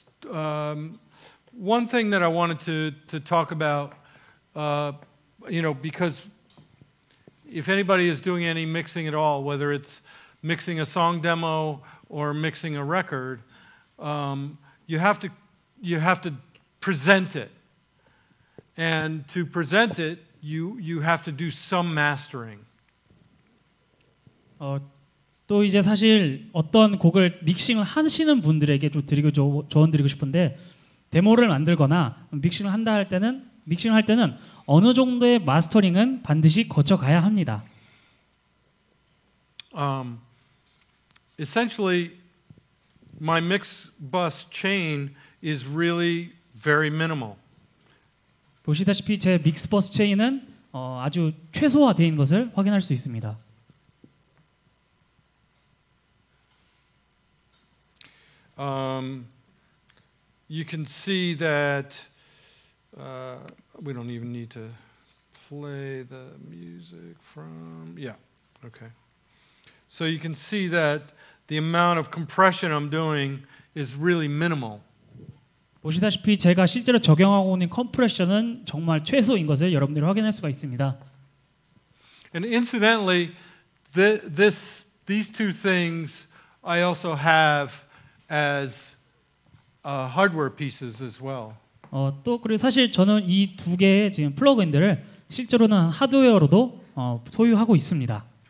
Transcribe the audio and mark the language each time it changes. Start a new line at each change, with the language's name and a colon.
English: One thing that I wanted to talk about, you know, because if anybody is doing any mixing at all, whether it's mixing a song demo or mixing a record, you have to present it. And to present it, you have to do some mastering.
Korean: 또 이제 사실 어떤 곡을 믹싱을 하시는 분들에게 좀 조언 드리고 싶은데 데모를 만들거나 믹싱을 한다 할 때는 믹싱을 할 때는 어느 정도의 마스터링은 반드시 거쳐 가야 합니다.
English: Essentially my mix bus chain is really very minimal.
Korean: 보시다시피 제 믹스 버스 체인은 아주 최소화되어 있는 것을 확인할 수 있습니다.
English: You can see that we don't even need to play the music from. Yeah, okay. So you can see that the amount of compression I'm doing is really minimal.
Korean: 보시다시피 제가 실제로 적용하고 있는 컴프레션은 정말 최소인 것을 여러분들이 확인할 수가 있습니다.
English: And incidentally, these two things I also have as hardware pieces as well.
Korean: 또 그리고 사실 저는 이 두 개의 지금 플러그인들을 실제로는 하드웨어로도 소유하고 있습니다.